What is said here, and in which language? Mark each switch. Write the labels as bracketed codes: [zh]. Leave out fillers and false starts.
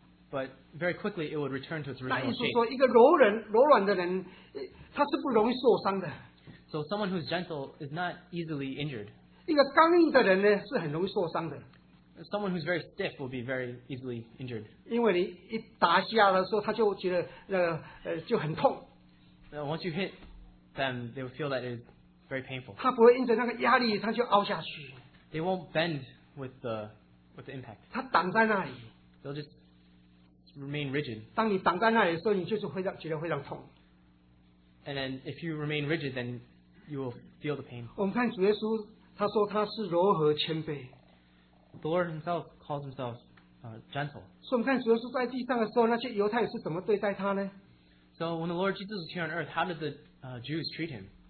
[en] but very quickly, it would return to its original [zh] 那意思说, [en] shape. [zh] 一个柔人,柔软的人, 他是不容易受伤的。 [en] So someone who's gentle is not easily injured. [zh] 一个刚硬的人呢, 是很容易受伤的。 [en] Someone who's very stiff will be very easily injured. [zh] 因为你一打下的时候, 他就觉得那个, 就很痛。 [en] Now, once you hit them, they will feel that it's very painful. [zh] 他不会因着那个压力, 他就凹下去。 [en] They won't bend with the impact. [zh] 他挡在那里, [en] they'll just remain rigid. [zh] 当你挡在那里的时候, 你就是会让觉得非常痛。 [en] And then if you remain rigid, then you will feel the pain. [zh] 我们看主耶稣, 他说他是柔和谦卑。 [en] The Lord himself calls himself gentle. [zh] 所以我们看主耶稣在地上的时候, 那些犹太人是怎么对待他呢? [en] So when the Lord Jesus was here on earth, how did the Jews treat him?